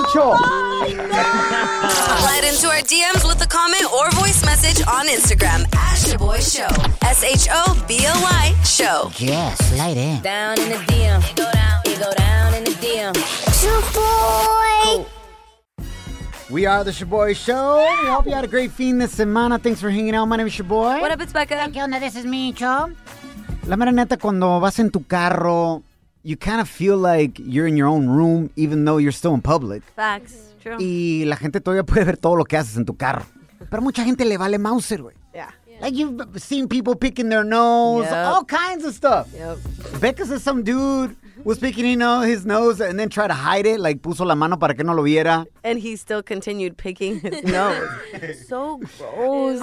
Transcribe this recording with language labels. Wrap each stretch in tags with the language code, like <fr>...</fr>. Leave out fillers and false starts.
<en>Slide into our DMs with a comment or voice message on Instagram at Shaboy Show. Shaboy Show. Yeah, slide in. Down in the DM. You go down in the DM. Shaboy. We are the Shaboy Show. We hope you had a great fiend this semana. Thanks for hanging out. My name is Shaboy. What up, it's Becca.</en> <es>¿Qué onda?</es> <en>This is Micho.</en> <es>La mera neta, cuando vas en tu carro</es> <en>you kind of feel like you're in your own room, even though you're still in public. Facts, true.</en> <es>Y la gente todavía puede ver todo lo que haces en tu carro. Pero mucha gente le vale mauser, güey.</es> <en>Yeah. Like, you've seen people picking their nose, yep. All kinds of stuff. Yep. Becca says some dude was picking, you know, his nose and then tried to hide it, like,</en> <es>puso la mano para que no lo viera.</es> <en>And he still continued picking his nose. So gross,</en>